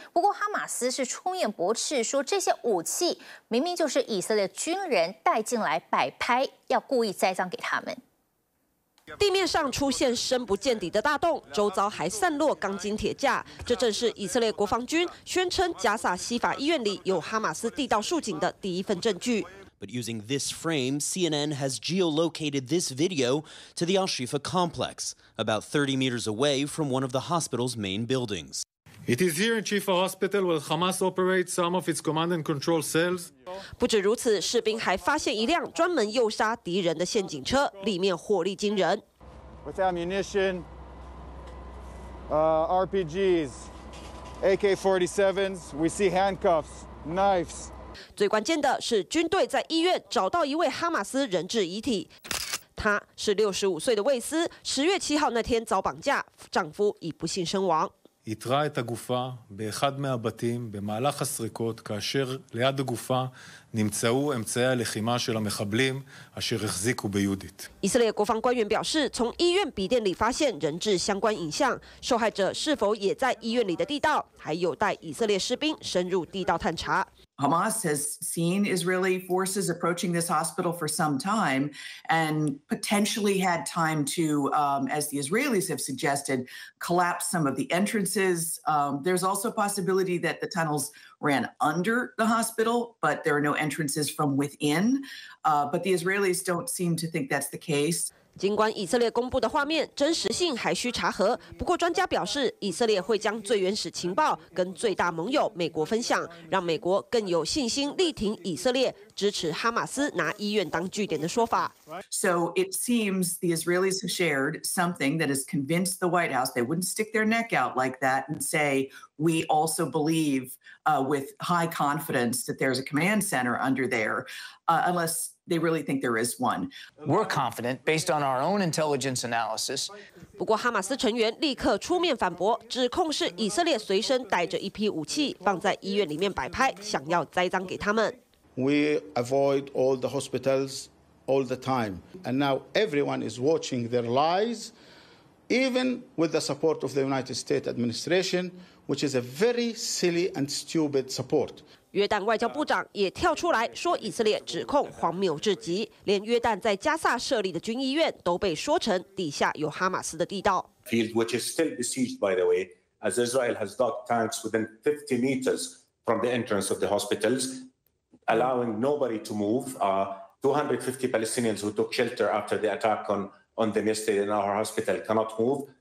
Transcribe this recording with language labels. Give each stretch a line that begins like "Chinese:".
Chinese: 不过哈马斯是出面驳斥说这些武器明明就是以色列军人带进来摆拍，要故意栽赃给他们。地面上出现深不见底的大洞，周遭还散落钢筋铁架，这正是以色列国防军宣称加萨西法医院里有哈马斯地道竖井的第一份证据。
English: But using this frame, CNN has geolocated this video to the Al-Shifa complex, about 30 meters away from one of the hospital's main buildings. It is here in Shifa Hospital where Hamas operates some of its command and control cells.
Chinese: 不止如此，士兵还发现一辆专门诱杀敌人的陷阱车，里面火力惊人。
English: With ammunition, RPGs, AK-47s, we see handcuffs, knives.
Chinese: 最关键的是，军队在医院找到一位哈马斯人质遗体。他是65岁的卫斯，10月7号那天遭绑架，丈夫已不幸身亡。
Hebrew: איתרה את הגופה באחד מהבתים במהלך הסריקות כאשר ליד הגופה נמצאו אמצעי הלחימה של המחבלים אשר החזיקו ביהודית.
Chinese: 以色列国防官员表示，从医院笔电里发现人质相关影像，受害者是否也在医院里的地道，还有待以色列士兵深入地道探查。
English: Hamas has seen Israeli forces approaching this hospital for some time and potentially had time to, as the Israelis have suggested, collapse some of the entrances. There's also a possibility that the tunnels ran under the hospital, but there are no entrances from within. But the Israelis don't seem to think that's the case.
Chinese: 尽管以色列公布的画面真实性还需查核，不过专家表示，以色列会将最原始情报跟最大盟友美国分享，让美国更有信心力挺以色列支持哈马斯拿医院当据点的说法。
English: So it seems the Israelis have shared something that has convinced the White House they wouldn't stick their neck out like that and say we also believe with high confidence that there's a command center under there, unless they really think there is one. We're confident based on our own intelligence analysis.
Chinese: 不过哈马斯成员立刻出面反驳，指控是以色列随身带着一批武器放在医院里面摆拍，想要栽赃给他们。
English: We avoid all the hospitals all the time, and now everyone is watching their lies, even with the support of the United States administration, which is a very silly and stupid support.
Chinese: 约旦外交部长也跳出来说，以色列指控荒谬至极，连约旦在加萨设立的军医院都被说成底下有哈马斯的地道。
English: Field which is still besieged, by the way, as Israel has docked tanks within 50 meters from the entrance of the hospitals. Allowing nobody to move, 250 Palestinians who took shelter after the attack on them yesterday in our hospital cannot move.